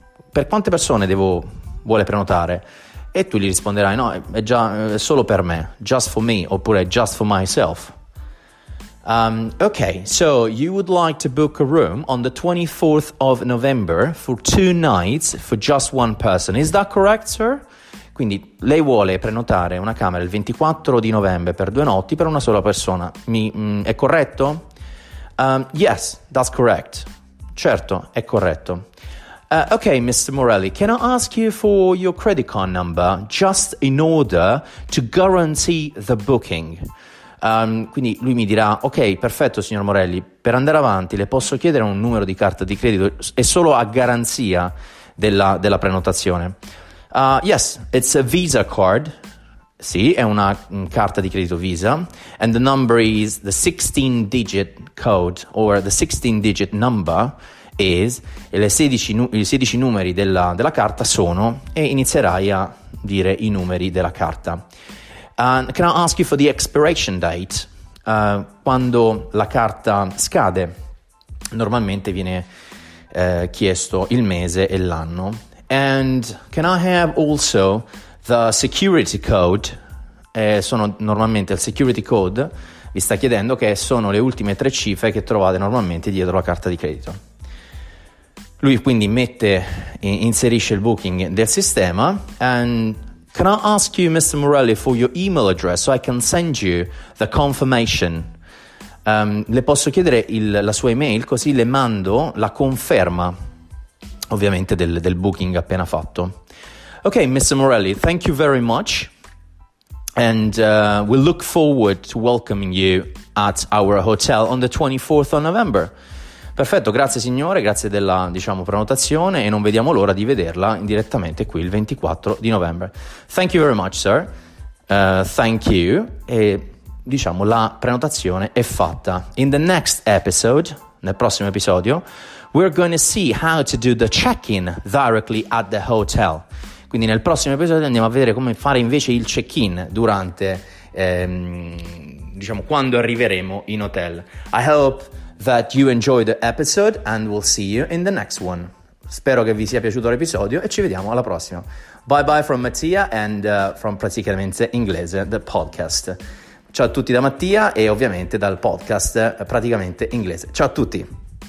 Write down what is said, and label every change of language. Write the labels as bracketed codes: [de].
[it] Per quante persone vuole prenotare? E tu gli risponderai: no, è solo per me. [en] Just for me, oppure just for myself. Okay, so you would like to book a room on the 24th of November for 2 nights for just one person. Is that correct, sir? [it] Quindi lei vuole prenotare una camera il 24 di novembre per 2 notti per una sola persona. È corretto? [en] Yes, that's correct. [it] Certo, è corretto. Okay, Mr. [en] Morelli, can I ask you for your credit card number just in order to guarantee the booking? [it] Quindi lui mi dirà: ok, perfetto, signor Morelli, per andare avanti le posso chiedere un numero di carta di credito? È solo a garanzia della prenotazione. [en] Yes, it's a Visa card. [it] Sì, è una carta di credito Visa. [en] And the number is the 16-digit code, or the 16-digit number is. [it] E i 16 numeri della carta sono. E inizierai a dire i numeri della carta. [en] Can I ask you for the expiration date? [it] Quando la carta scade, normalmente viene chiesto il mese e l'anno. [en] And can I have also the security code? [it] Sono normalmente il security code, vi sta chiedendo, che sono le ultime 3 cifre che trovate normalmente dietro la carta di credito. Lui quindi inserisce il booking del sistema. [en] And can I ask you, Mr. Morelli, for your email address so I can send you the confirmation? [it] Le posso chiedere la sua email, così le mando la conferma, ovviamente, del booking appena fatto. [en] Ok, Mr. Morelli, thank you very much. And we look forward to welcoming you at our hotel on the 24th of November. [it] Perfetto, grazie signore, grazie della, diciamo, prenotazione, e non vediamo l'ora di vederla indirettamente qui il 24 di novembre. [en] Thank you very much, sir. Thank you. [it] E diciamo, la prenotazione è fatta. [en] In the next episode, [it] nel prossimo episodio, [en] we're going to see how to do the check-in directly at the hotel. [it] Quindi nel prossimo episodio andiamo a vedere come fare invece il check-in durante, diciamo, quando arriveremo in hotel. [en] I hope that you enjoyed the episode and we'll see you in the next one. [it] Spero che vi sia piaciuto l'episodio e ci vediamo alla prossima. [en] Bye bye from Mattia and from Praticamente Inglese, the podcast. [it] Ciao a tutti da Mattia e ovviamente dal podcast Praticamente Inglese. Ciao a tutti!